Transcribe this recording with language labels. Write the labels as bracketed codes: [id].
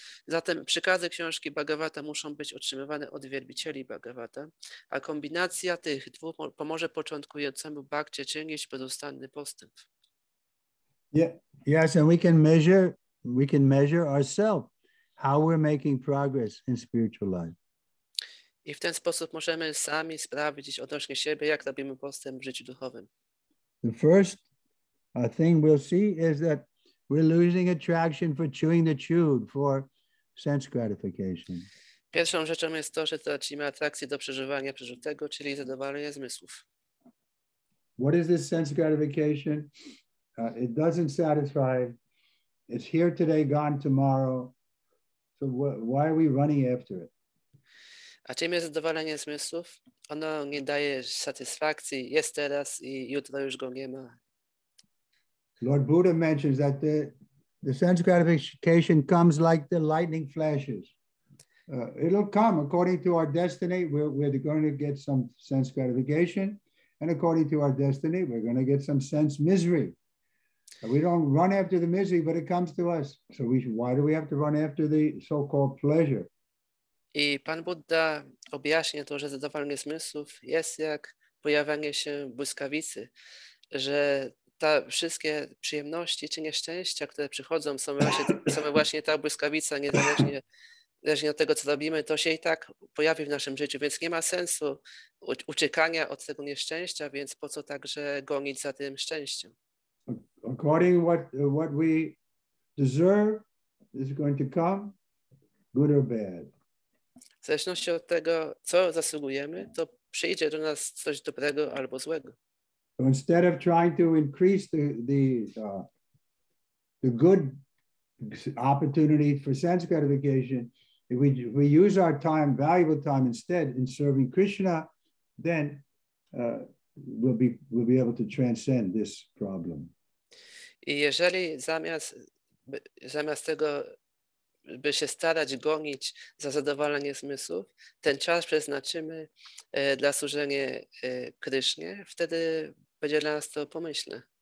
[pl] Zatem przykazy książki Bhagavata muszą być otrzymywane od wielbicieli Bhagavata, a kombinacja tych dwóch pomoże początkującemu bhakcie czynić pozostanny postęp. [en] Yes, and we can measure ourselves how we're making progress in spiritual life. [pl] I w ten sposób możemy sami sprawdzić odnośnie siebie, jak robimy postęp w życiu duchowym. [en] The first thing we'll see is that we're losing attraction for chewing the chewed for sense gratification. [pl] Pierwszą rzeczą jest to, że tracimy atrakcję do przeżywania przeżytego, czyli zadowolenia zmysłów. [en] What is this sense gratification? It doesn't satisfy. It's here today, gone tomorrow. So why are we running after it? [pl] A czym jest zadowolenie zmysłów? Ono nie daje satysfakcji, jest teraz i jutro już go nie ma. [en] Lord Buddha mentions that the sense gratification comes like the lightning flashes. It'll come according to our destiny. We're going to get some sense gratification. And according to our destiny, we're going to get some sense misery. We don't run after the misery, but it comes to us. So why do we have to run after the so-called pleasure? [pl] I Pan Budda objaśnia to, że zadowolenie zmysłów jest jak pojawianie się błyskawicy, że te wszystkie przyjemności czy nieszczęścia, które przychodzą, są właśnie ta błyskawica, niezależnie od tego, co robimy, to się i tak pojawi w naszym życiu, więc nie ma sensu uciekania od tego nieszczęścia, więc po co także gonić za tym szczęściem? [en] According to what we deserve, is going to come, good or bad. [pl] W zależności od tego, co zasługujemy, to przyjdzie do nas coś dobrego albo złego. [en] So instead of trying to increase the good opportunity for sense gratification, if we use our time, valuable time, instead in serving Krishna, then we'll be able to transcend this problem. [pl] I jeżeli zamiast tego, by się starać gonić za zadowolenie zmysłów, ten czas przeznaczymy dla służenia Krysznie, wtedy będzie dla nas to pomyślne.